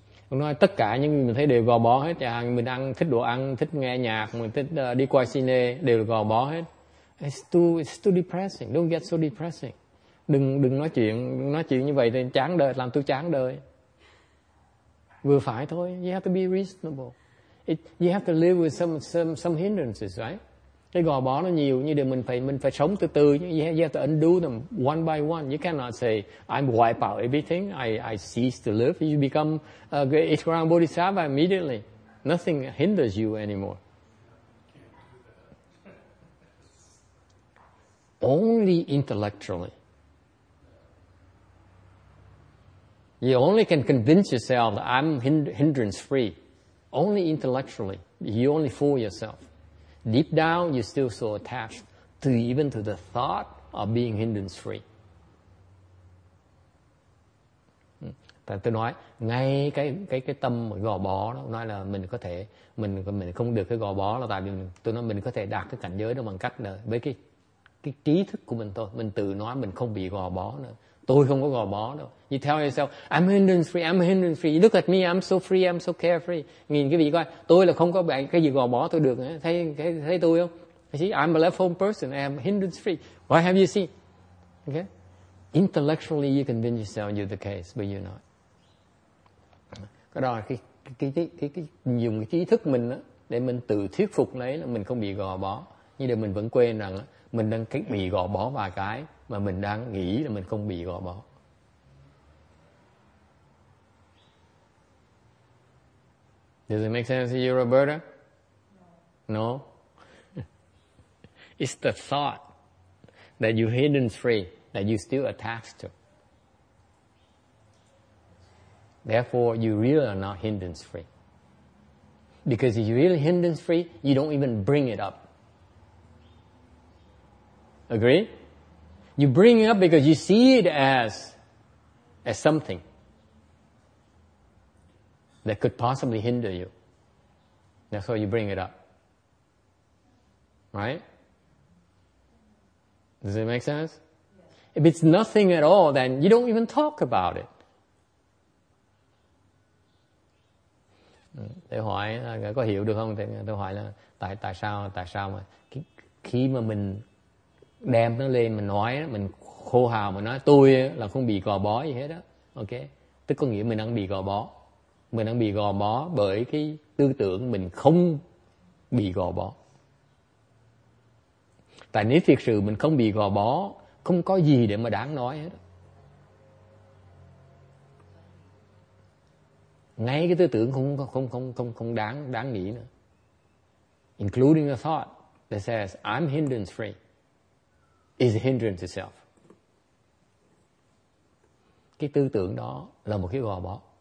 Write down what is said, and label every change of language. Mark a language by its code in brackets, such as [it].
[vi] Nói tất cả những gì mình thấy đều gò bó hết. Chà, mình ăn thích đồ ăn, thích nghe nhạc, mình thích đi qua cine, đều gò bó hết. [en] It's too depressing. Don't get so depressing. [vi] Đừng nói chuyện như vậy thì chán đời, làm tôi chán đời. Vừa phải thôi. [en] You have to be reasonable. You have to live with some hindrances, right? [vi] Cái gò bó nó nhiều, như điều mình phải sống từ từ. [en] You have to undo them one by one. You cannot say, I wipe out everything. I cease to live. You become a great eight-ground bodhisattva immediately. Nothing hinders you anymore. Only intellectually. You only can convince yourself that I'm hindrance-free. Only intellectually. You only fool yourself. Deep down, you're still so attached to even to the thought of being hindrance free. [vi] Tôi nói ngay cái tâm gò bó đó, nói là mình không được cái gò bó là tại vì tôi nói mình có thể đạt cái cảnh giới đó bằng cách là với cái trí thức của mình thôi. Mình tự nói mình không bị gò bó nữa, Tôi không có gò bó đâu. [en] You tell yourself, I'm hindrance free, I'm hindrance free. Look at me, I'm so free, I'm so carefree. [vi] Nhìn cái vị coi, tôi là không có cái gì gò bó tôi được. Thấy tôi không? [en] See, I'm a left home person, I'm hindrance free. What have you seen? Okay? Intellectually, you convince yourself you're the case, but you're not. [vi] Cái đó là cái dùng cái trí thức mình đó, để mình tự thuyết phục lấy là mình không bị gò bó. Nhưng mà mình vẫn quên rằng mình đang bị gò bó vài cái mà mình đang nghĩ là mình không bị gò bó. [en] Does it make sense to you, Roberta? No. No? It's the thought that you're hidden free that you're still attached to. Therefore, you really are not hindrance free. Because if you're really hindrance free, you don't even bring it up. Agree? You bring it up because you see it as something that could possibly hinder you. That's why you bring it up. Right? Does it make sense? If it's nothing at all, then you don't even talk about it. [vi] Tôi hỏi là có hiểu được không? Tôi hỏi là tại sao mà khi mà mình đem nó lên mình nói, mình khô hào mà nói tôi là không bị gò bó gì hết á, ok, tức có nghĩa mình đang bị gò bó, mình đang bị gò bó bởi cái tư tưởng mình không bị gò bó. Tại nếu thiệt sự mình không bị gò bó, không có gì để mà đáng nói hết. Ngay cái tư tưởng không đáng nghĩ nữa. [en] Including a thought that says, I'm hindrance free, is a hindrance itself. [vi] Cái tư tưởng đó là một cái gò bó.